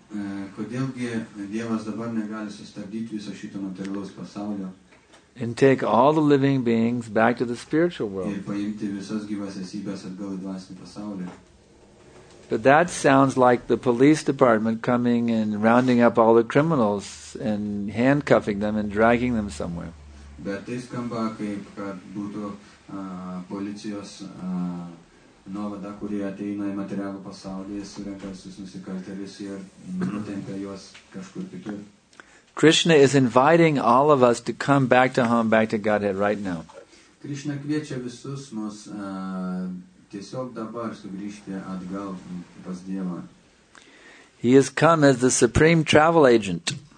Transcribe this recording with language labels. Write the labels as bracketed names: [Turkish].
[English] And take all the living beings back to the spiritual world. But that sounds like the police department coming and rounding up all the criminals and handcuffing them and dragging them somewhere. But this [Lithuanian] skamba kaip kad būtų policijos nuovada, kurie ateina į materialų pasaulį, surenka visus nusikaltėlius ir nutempia juos kažkur kitur. [English] Krishna is inviting all of us to come back to home, back to Godhead right now. [Lithuanian] Krishna kviečia visus mus tiesiog dabar sugrįžti atgal pas Dievą. [English] He has come as the supreme travel agent.